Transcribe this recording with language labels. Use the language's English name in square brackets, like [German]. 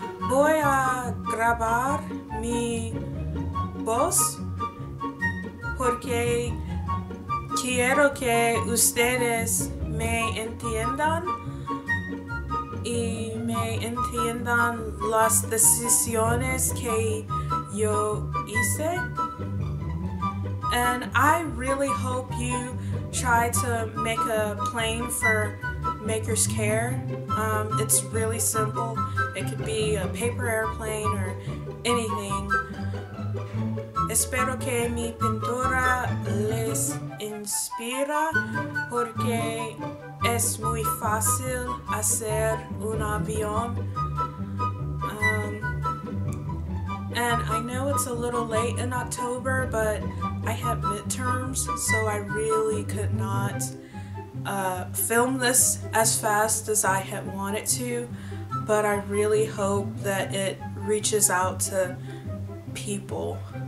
[Spanish] Voy a grabar mi voz porque quiero que ustedes me entiendan y me entiendan las decisiones que yo hice. [English] And I really hope you try to make a plane for Makers Care. It's really simple. It could be a paper airplane or anything. [Spanish] Espero que mi pintura les inspira porque es muy fácil hacer un avión. [English] And I know it's a little late in October, but I had midterms, so I really could not film this as fast as I had wanted to, but I really hope that it reaches out to people.